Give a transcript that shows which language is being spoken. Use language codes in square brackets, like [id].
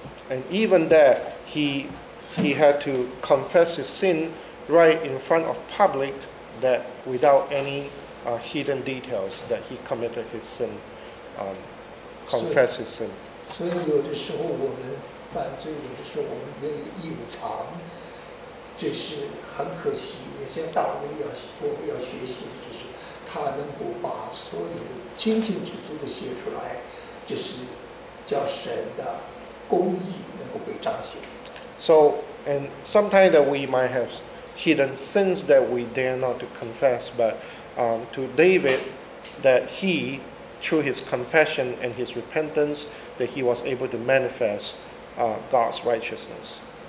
[en] And even that, he had to confess his sin right in front of public, that without any hidden details, that he committed his sin, confessed his sin. [zh] So, 有的时候我们犯罪，有的时候我们愿意隐藏，这是很可惜。像大卫要，我们要学习的就是，他能够把所有的清清楚楚的写出来，就是叫神的公义能够被彰显。 [en] So, and sometimes that we might have hidden sins that we dare not to confess, but to David, that he, through his confession and his repentance, that he was able to manifest God's righteousness.